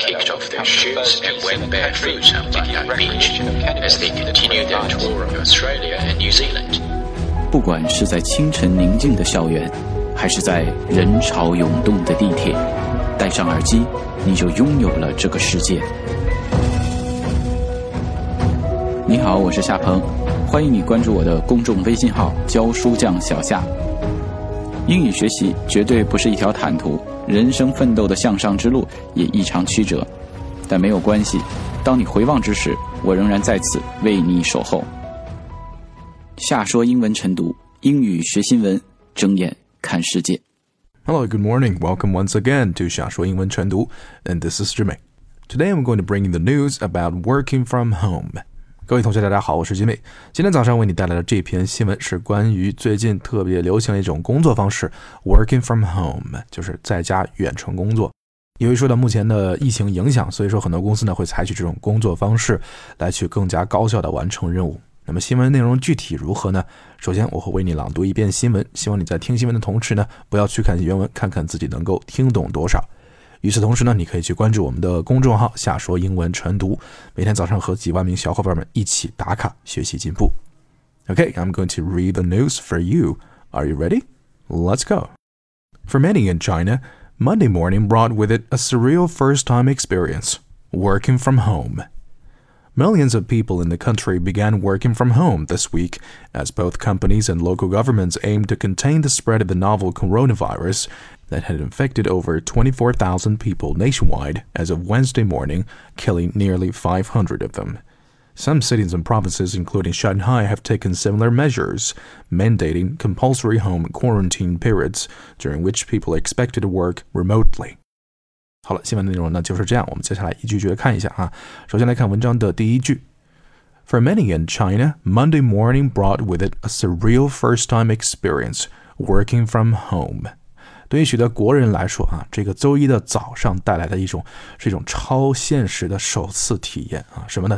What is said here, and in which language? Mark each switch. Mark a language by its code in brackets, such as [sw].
[en] kicked off their shoes and went barefoot on the beach as they continued their tour of Australia and New Zealand. [zh] 不管是在清晨宁静的校园，还是在人潮涌动的地铁，戴上耳机，你就拥有了这个世界。你好，我是夏鹏，欢迎你关注我的公众微信号教书匠小夏。英语学习绝对不是一条坦途，人生奋斗的向上之路也异常曲折，但没有关系，当你回望之时，我仍然在此为你守候。夏说英文晨读，英语学新闻，睁眼看世界。 [en] Hello, good morning. Welcome once again to 夏说英文晨读 And this is Jimmy. Today I'm going to bring you the news about working from home. [zh] 各位同学大家好，我是吉米。今天早上为你带来的这篇新闻是关于最近特别流行的一种工作方式 [en] Working from home， [zh] 就是在家远程工作。由于受到目前的疫情影响，所以说很多公司呢会采取这种工作方式来去更加高效的完成任务。那么新闻内容具体如何呢？首先我会为你朗读一遍新闻，希望你在听新闻的同时呢不要去看原文，看看自己能够听懂多少。与此同时呢，你可以去关注我们的公众号夏说英文晨读，每天早上和几万名小伙伴们一起打卡学习进步。 [en] OK, I'm going to read the news for you. Are you ready? Let's go. For many in China, Monday morning brought with it a surreal first-time experience, working from home. Millions of people in the country began working from home this week as both companies and local governments aimed to contain the spread of the novel coronavirusthat had infected over 24,000 people nationwide as of Wednesday morning, killing nearly 500 of them. Some cities and provinces, including Shanghai, have taken similar measures, mandating compulsory home quarantine periods during which people are expected to work remotely. [zh] 好了，新闻的内容呢就是这样，我们接下来一句一句看一下啊。首先来看文章的第一句。 [en] For many in China, Monday morning brought with it a surreal first-time experience, working from home. [zh] 对于许多国人来说啊，这个周一的早上带来的是一种超现实的首次体验啊，什么呢？